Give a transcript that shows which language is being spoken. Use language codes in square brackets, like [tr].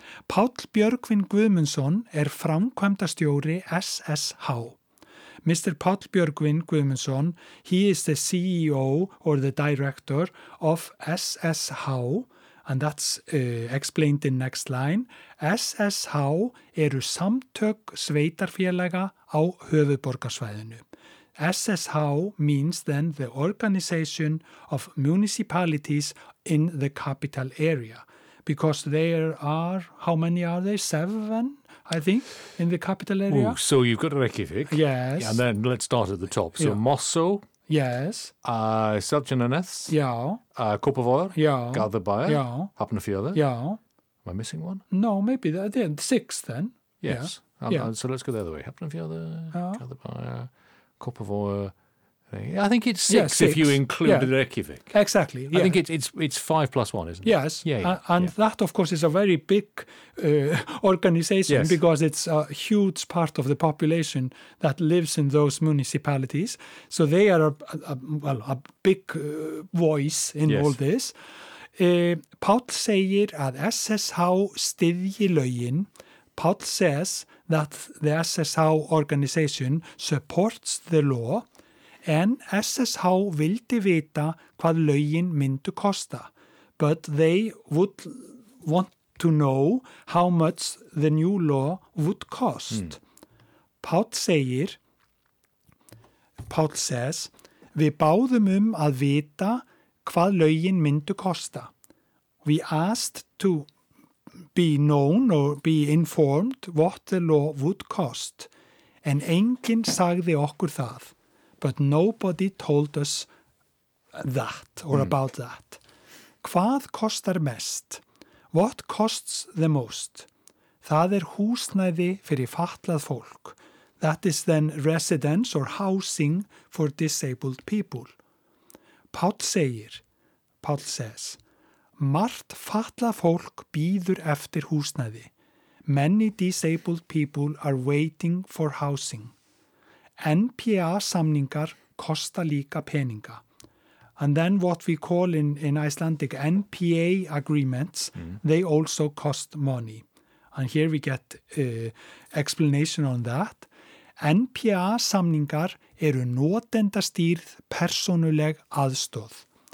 [is] Páll Björgvin Guðmundsson er framkvæmdastjóri SSH. Mr. [en] Páll Björgvin Guðmundsson, he is the CEO or the director of SSH, and that's explained in next line. [is] SSH eru samtök sveitarfélaga á höfuðborgarsvæðinu. [en] SSH means then the organization of municipalities in the capital area. Because there are, how many are there? Seven, I think, in the capital area. Ooh, so you've got Reykjavik. Yes. And then let's start at the top. So yeah. Mosso. Yes. Seltjarnarnes. Yeah. Kópavogur. Yeah. Garðabær. Yeah. Hafnarfjörður. Yeah. Am I missing one? No, maybe the six then. Yes. Yeah. Yeah. So let's go the other way. Hafnarfjörður, Garðabær, Kópavogur. I think it's six, six. If you include Reykjavik. Exactly. Yeah. I think it's 5 + 1, isn't it? Yes. Yeah, yeah, and yeah. That, of course, is a very big organization because it's a huge part of the population that lives in those municipalities. So they are a big voice in all this. [is] Páll segir að SSH styðji lögin. [en] Páll says that the SSH organization supports the law. [is] En SSH vildi vita hvað lögin myndu kosta, [en] but they would want to know how much the new law would cost. Mm. Páll says, [is] við báðum að vita hvað lögin myndu kosta. [en] We asked to be known or be informed what the law would cost, [is] en enginn sagði okkur það. [en] But nobody told us that or about that. [is] Hvað kostar mest? [en] What costs the most? [is] Það húsnæði fyrir fatlað fólk. [en] That is then residence or housing for disabled people. Páll says, [is] margt fatlað fólk býður eftir húsnæði. [en] Many disabled people are waiting for housing. [is] NPA samningar kosta líka peninga. [en] And then what we call in Icelandic NPA agreements, they also cost money. And here we get explanation on that. [is] NPA samningar eru notendastýrð persónuleg aðstoð.